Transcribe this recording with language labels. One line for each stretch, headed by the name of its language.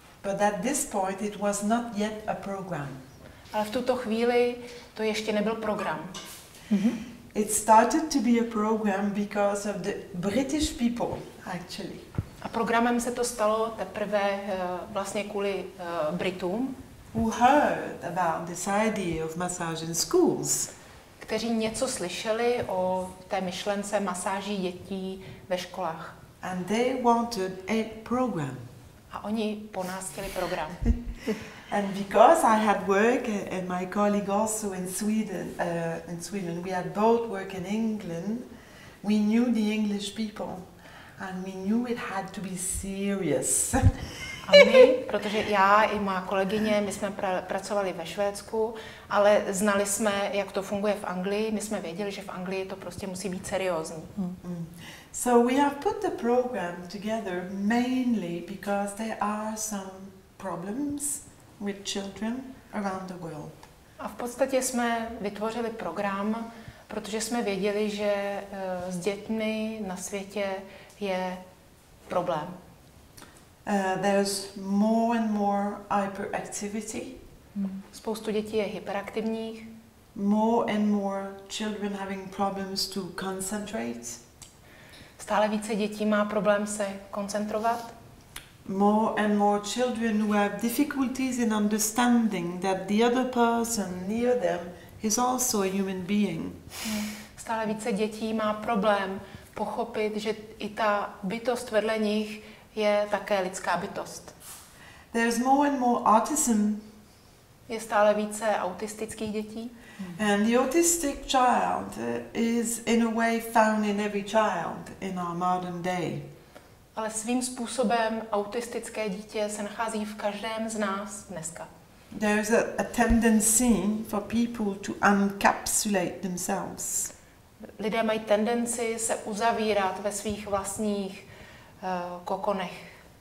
English: But at this point it was not yet a program.
Czech: Ale v tuto chvíli to ještě nebyl program.
English: It started to be a program because of the British people, actually.
Czech: A programem se to stalo teprve vlastně kvůli Britům.
English: Who heard about this idea of massage in schools.
Czech: Kteří něco slyšeli o té myšlence masáží dětí ve školách.
English: And they wanted a program.
Czech: A oni po nás chtěli program.
English: And because I had work and my colleague also in Sweden, we had both work in England, we knew the English people and we knew it had to be serious.
Czech: A my, protože já i má kolegyně, my jsme pracovali ve Švédsku, ale znali jsme, jak to funguje v Anglii. My jsme věděli, že v Anglii to prostě musí být seriózní.
English: So we have put the program together mainly because there are some problems with children around the world.
Czech: A v podstatě jsme vytvořili program, protože jsme věděli, že s dětmi na světě je problém.
English: There's more and more hyperactivity.
Czech: Spoustu dětí je hyperaktivních.
English: More and more children having problems to concentrate.
Czech: Stále více dětí má problém se koncentrovat.
English: More and more children who have difficulties in understanding that the other person near them is also a human being.
Czech: Stále více dětí má problém pochopit, že i ta bytost vedle nich je také lidská bytost.
English: There's more and more autism.
Czech: Je stále více autistických dětí.
English: And the autistic child is in a way found in every child in our modern day.
Czech: Ale svým způsobem autistické dítě se nachází v každém z nás dneska.
English: There's a tendency for people to encapsulate themselves.
Czech: Lidé mají tendenci se uzavírat ve svých vlastních kokonech.